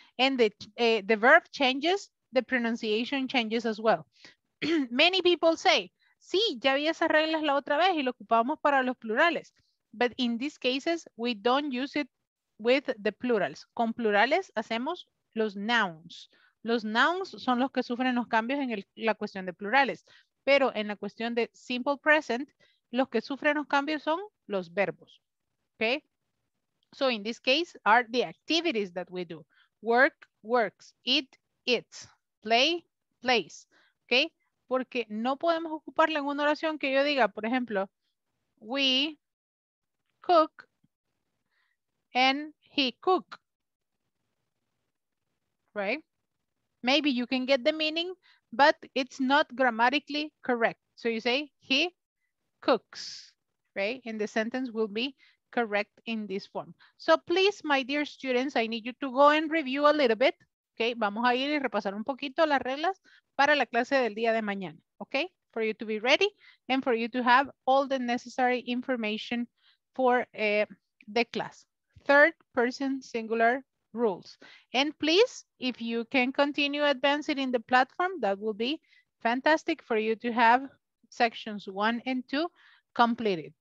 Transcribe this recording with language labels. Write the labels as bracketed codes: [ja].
[en] And the verb changes, the pronunciation changes as well. Many people say, [es] sí, ya vi esas reglas la otra vez y lo ocupamos para los plurales. [en] but in these cases, we don't use it with the plurals. [es] Con plurales hacemos los nouns. Los nouns son los que sufren los cambios en la cuestión de plurales. Pero en la cuestión de simple present, los que sufren los cambios son los verbos. [en] Okay? So in this case are the activities that we do. Work, works. Eat, eats. Play, plays. Okay? [es] Porque no podemos ocuparla en una oración que yo diga, por ejemplo, [en] we cook and he cook. Right? Maybe you can get the meaning, but it's not grammatically correct. So you say he cooks, right? And the sentence will be correct in this form. So please, my dear students, I need you to go and review a little bit. [es] Okay, vamos a ir y repasar un poquito las reglas para la clase del día de mañana. [en] Okay, for you to be ready and for you to have all the necessary information for the class. Third person singular rules. And please, if you can continue advancing in the platform, that will be fantastic for you to have sections 1 and 2 completed.